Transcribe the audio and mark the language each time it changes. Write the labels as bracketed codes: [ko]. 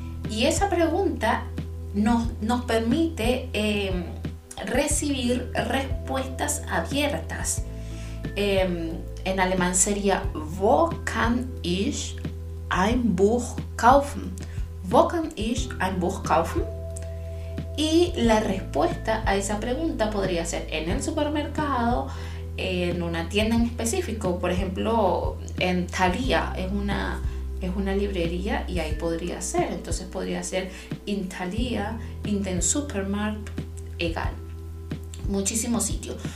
[es] Y esa pregunta nos permite recibir respuestas abiertas. En alemán sería [de] Wo kann ich ein Buch kaufen? Wo kann ich ein Buch kaufen? [es] Y la respuesta a esa pregunta podría ser en el supermercado, en una tienda en específico, por ejemplo, en Thalia, es una librería y ahí podría ser. Entonces podría ser [de] in Thalia, in den Supermarkt, egal. [es] Muchísimos sitios.